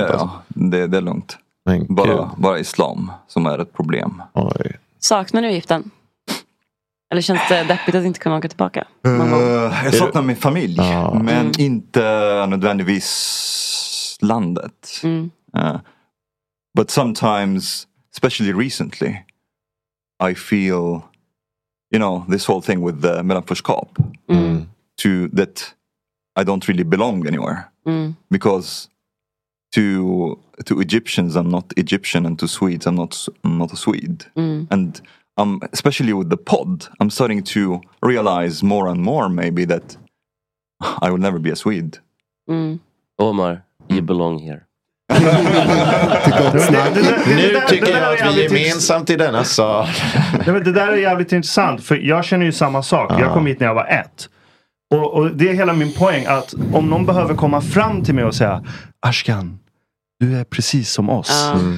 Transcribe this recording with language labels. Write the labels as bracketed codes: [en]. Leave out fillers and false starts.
[sv] Ja, alltså. det är lugnt. Men bara islam som är ett problem. Oj. Saknar du Egypten? Eller känns det deppigt att inte kunna åka tillbaka? Jag saknar min familj. Men inte nödvändigtvis landet. [en] But sometimes, especially recently, I feel, you know, this whole thing with the mellanförskap, to that I don't really belong anywhere. Because to Egyptians, I'm not Egyptian, and to Swedes, I'm not a Swede. And especially with the pod, I'm starting to realize more and more maybe that I will never be a Swede. Omar, you belong here. [sv] Nu tycker jag att vi är gemensamt i denna sak. Nej, men det där är jävligt intressant. För jag känner ju samma sak. Jag kom hit när jag var 1. Och det är hela min poäng. Att om någon behöver komma fram till mig och säga: Ashkan, du är precis som oss.